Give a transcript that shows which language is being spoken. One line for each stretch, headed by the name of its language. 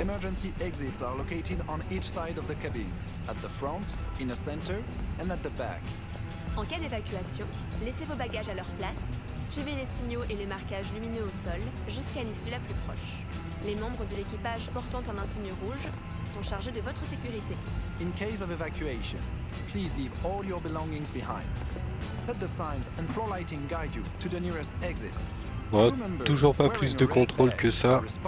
English: Emergency exits are located on each side of the cabin, at the front, in the center, and at the back.
French: En cas d'évacuation, laissez vos bagages à leur place, suivez les signaux et les marquages lumineux au sol jusqu'à l'issue la plus proche. Les membres de l'équipage portant un insigne rouge sont chargés de votre sécurité.
English: In case of evacuation, please leave all your belongings behind. Let the signs and floor lighting guide you to the nearest exit.
French: Oh, toujours pas plus de contrôle que ça.